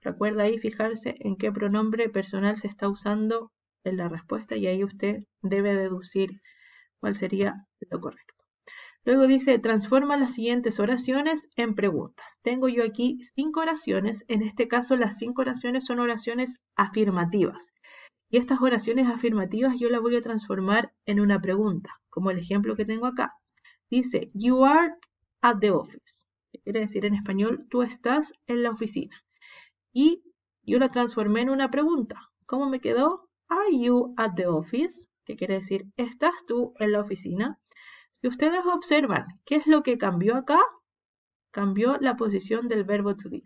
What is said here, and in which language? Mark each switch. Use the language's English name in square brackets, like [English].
[Spanish] Recuerda ahí fijarse en qué pronombre personal se está usando en la respuesta y ahí usted debe deducir cuál sería lo correcto. Luego dice, transforma las siguientes oraciones en preguntas. Tengo yo aquí cinco oraciones. En este caso, las cinco oraciones son oraciones afirmativas. Y estas oraciones afirmativas yo las voy a transformar en una pregunta, como el ejemplo que tengo acá. [English] Dice, you are at the office. [Spanish] ¿Qué quiere decir en español? Tú estás en la oficina. Y yo la transformé en una pregunta. ¿Cómo me quedó? [English] Are you at the office? [Spanish] ¿Qué quiere decir? ¿Estás tú en la oficina? Si ustedes observan, ¿qué es lo que cambió acá? Cambió la posición del verbo to be.